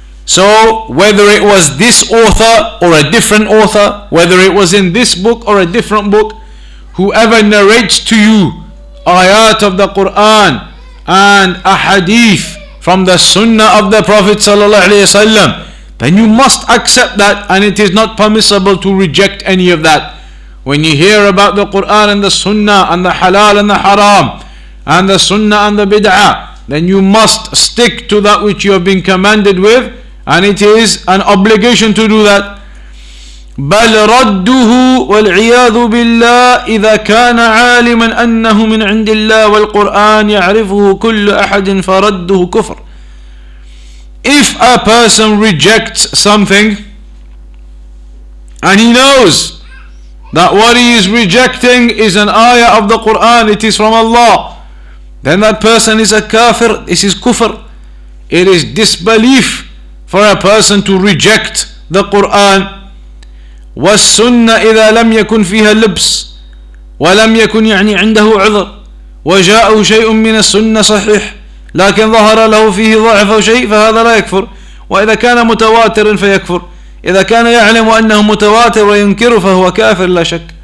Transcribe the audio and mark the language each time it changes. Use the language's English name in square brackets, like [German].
[English] So whether it was this author or a different author, whether it was in this book or a different book, whoever narrates to you ayat of the Qur'an and a hadith from the sunnah of the Prophet صلى الله عليه وسلم, then you must accept that, and it is not permissible to reject any of that. When you hear about the Qur'an and the Sunnah and the Halal and the Haram and the Sunnah and the Bid'ah, then you must stick to that which you have been commanded with, and it is an obligation to do that. [Arabic] بَلْ رَدُّهُ وَالْعِيَاذُ بِاللَّهِ إِذَا كَانَ عَالِمًا أَنَّهُ مِنْ عِنْدِ اللَّهِ وَالْقُرْآنِ يَعْرِفُهُ كُلُّ أَحَدٍ فَرَدُّهُ كُفْرٍ. [English] If a person rejects something And he knows that what he is rejecting is an ayah of the Quran, it is from Allah. Then that person is a kafir, this is kufr. It is disbelief for a person to reject the Quran. [Arabic] وَالسُّنَّةِ إِذَا لَمْ يَكُنْ فِيهَا لِبْسِ وَلَمْ يَكُنْ يَعْنِي عِنْدَهُ عُذْرِ وَجَاءُهُ شَيْءٌ مِّنَ السُّنَّةِ صَحِيحٌ لكن ظهر له فيه ضعف أو شيء فهذا لا يكفر وإذا كان متواتر فيكفر إذا كان يعلم أنه متواتر وينكر فهو كافر لا شك.